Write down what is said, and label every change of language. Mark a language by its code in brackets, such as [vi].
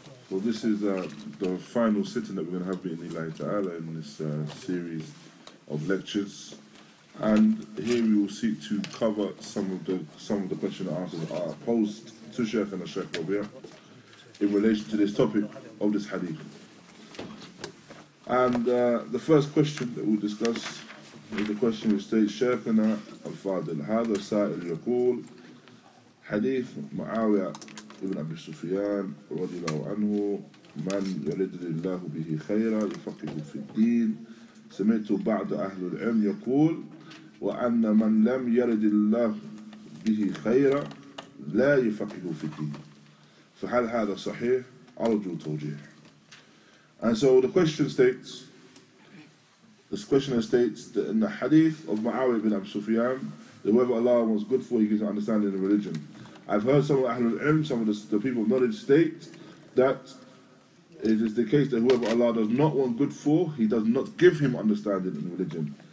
[en] Well, this is the final sitting that we're going to have [ar] bi'idhnillahi ta'ala [en] in this series of lectures. And here we will seek to cover some of the question and answers that are posed to Sheikh and Sheikh Rabia in relation to this topic of this hadith. And the first question that we'll discuss is the question which states, Shaykhana al-Fadil, [ar] هذا سائل يقول حديث معاوية ابن أبي سفيان رضي الله عنه من يرد لله به خيرا يفقه في الدين سمعت بعض أهل العلم يقول وأن من لم يرد الله به خيرا لا يفقه في الدين فهل هذا صحيح؟ أرجو توجيه. [en] And so the question states, this questioner states that in the hadith of Muawiyah ibn Abi Sufyan, that whoever Allah was good for, he gives an understanding of religion. I've heard some of Ahlul Ilm, some of the people of knowledge state that it is the case that whoever Allah does not want good for, he does not give him understanding in religion.